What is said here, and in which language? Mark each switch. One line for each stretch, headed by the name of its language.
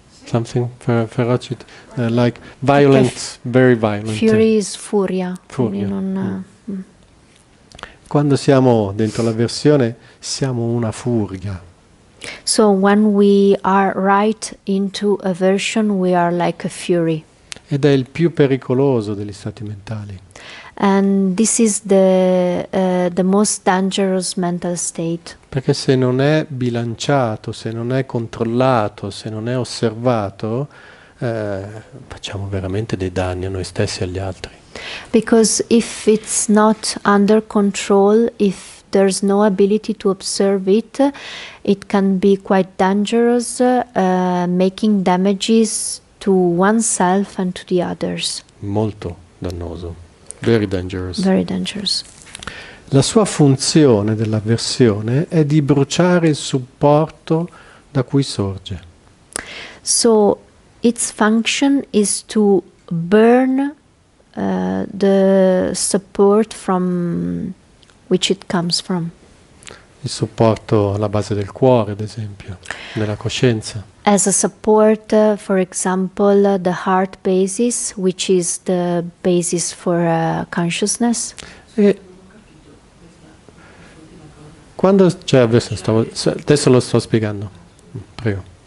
English: Something ferocious, like violent, very violent. Fury is
Italian: furia. Furia. Non, Quando siamo dentro l'avversione, siamo una furia.
English: So when we are right into aversion, we are like a fury.
Italian: Ed è il più pericoloso degli stati mentali.
English: And this is the most dangerous mental state.
Italian: Perché se non è bilanciato, se non è controllato, se non è osservato, facciamo veramente dei danni a noi stessi e agli altri.
English: Because if it's not under control, if there's no ability to observe it, it can be quite dangerous, making damages to oneself and to the others.
Italian: Molto dannoso.
English: Very dangerous. Very dangerous.
Italian: La sua funzione dell'avversione è di bruciare il supporto da cui sorge.
English: So its function is to burn the support from which it comes from.
Italian: Il supporto alla base del cuore, ad esempio, nella coscienza.
English: As a support, for example, the heart basis, which is the basis for consciousness.
Italian: E quando c'è avversione, adesso lo sto spiegando, prego.